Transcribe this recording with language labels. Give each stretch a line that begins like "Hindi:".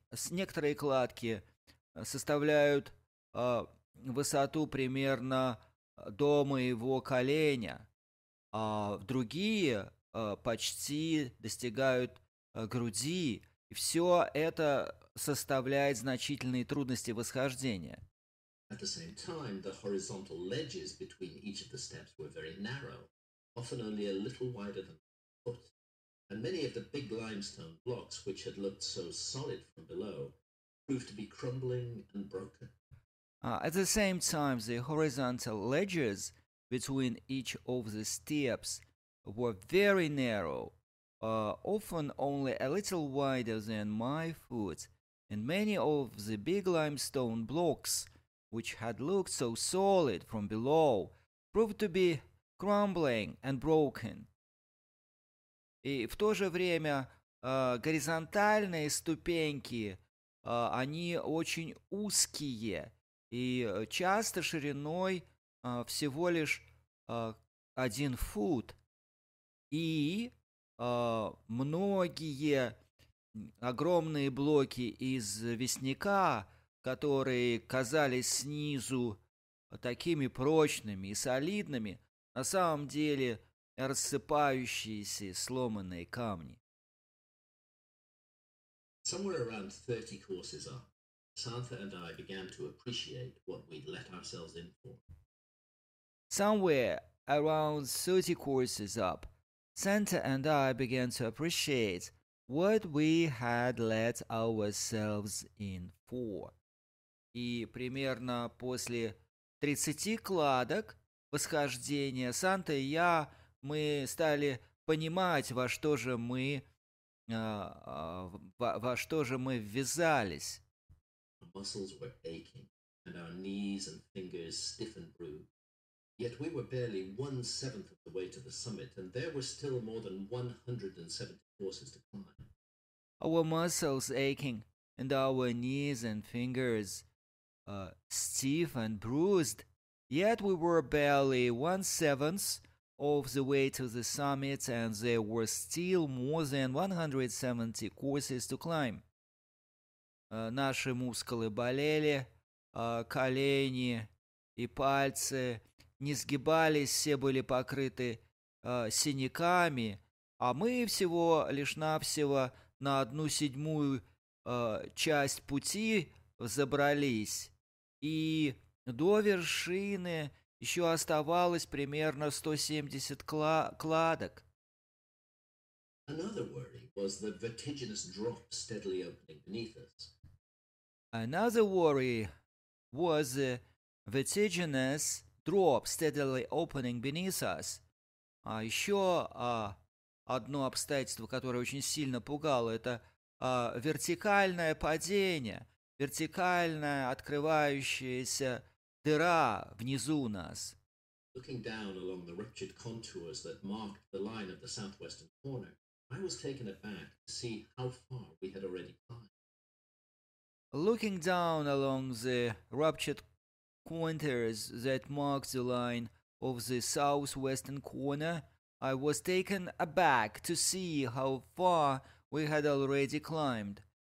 Russian: Некоторые кладки составляют высоту примерно до моего коленя, а другие почти достигают груди. И все это составляет значительные трудности восхождения.
English: At the same time, the horizontal ledges between each of the steps were very narrow, often only a little wider than a foot. and many of the big limestone blocks, which had looked so solid from below, proved to be crumbling and broken. At the same time, the horizontal ledges between each of the steps were very narrow, often only a little wider than my foot, and many of the big limestone blocks, which had looked so solid from below, proved to be crumbling and broken.
Russian: И в то же время горизонтальные ступеньки, они очень узкие и часто шириной всего лишь один фут. И многие огромные блоки из известняка, которые казались снизу такими прочными и солидными, на самом деле рассыпающиеся сломанные камни.
English: Somewhere around 30 courses up, Santha and I began to appreciate what we'd let ourselves in for. Somewhere around 30 courses up, Santa and I began to appreciate what we had let ourselves in for.
Russian: И примерно после 30 кладок восхождения Санта и я, мы стали понимать, во что же мы ввязались.
English: Our muscles were aching, and our knees and fingers stiff and bruised. Yet we were barely 1/7 of the way to the summit, and there were still more than 170 courses to climb. Our muscles aching, and our knees and fingers stiff and bruised, yet we were barely 1/7 of the way to the summit, and there were still more than 170 courses to climb.
Russian: Наши мускулы болели, колени и пальцы не сгибались, все были покрыты синяками, а мы всего лишь навсего на 1/7 часть пути взобрались. И до вершины еще оставалось примерно 170 кладок.
English: Another worry was the vertiginous drop steadily opening beneath us. Another worry was the vertiginous drop steadily opening beneath us.
Russian: А еще одно обстоятельство, которое очень сильно пугало, это вертикальное падение, вертикальная открывающаяся дыра внизу нас.
English: Looking down along the ruptured contours that marked the line of the southwestern corner, I was taken aback to see how far we had already climbed. Looking down along the ruptured contours that marked the line of the southwestern corner, I was taken aback to see how far we had already climbed.